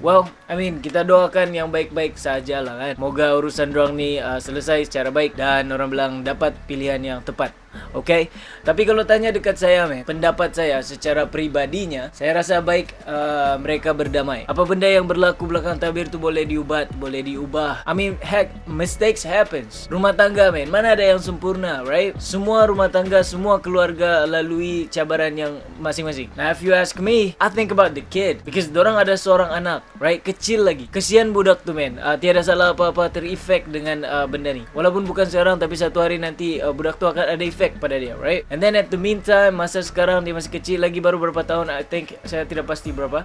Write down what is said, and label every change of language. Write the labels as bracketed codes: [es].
[en] Well, I mean, [ms] kita doakan yang baik-baik sajalah kan. Moga urusan dorang ni selesai secara baik dan orang Belang dapat pilihan yang tepat. Okay. Tapi kalau tanya dekat saya, pendapat saya secara pribadinya, saya rasa baik mereka berdamai. Apa benda yang berlaku belakang tabir tu boleh diubat, boleh diubah. [en] I mean, heck, mistakes happens. [ms] Rumah tangga, man, mana ada yang sempurna, right? Semua rumah tangga, semua keluarga lalui cabaran yang masing-masing. [en] Now, if you ask me, I think about the kid. [ms] Because dorang ada seorang anak, right? Kecil lagi. Kesian budak tu, man. Tiada salah apa-apa terefek dengan benda ni. Walaupun bukan seorang, tapi satu hari nanti budak tu akan ada efek pada dia, right? [en] And then at the meantime, [ms] masa sekarang dia masih kecil lagi, baru berapa tahun, [en] I think, [ms] saya tidak pasti berapa.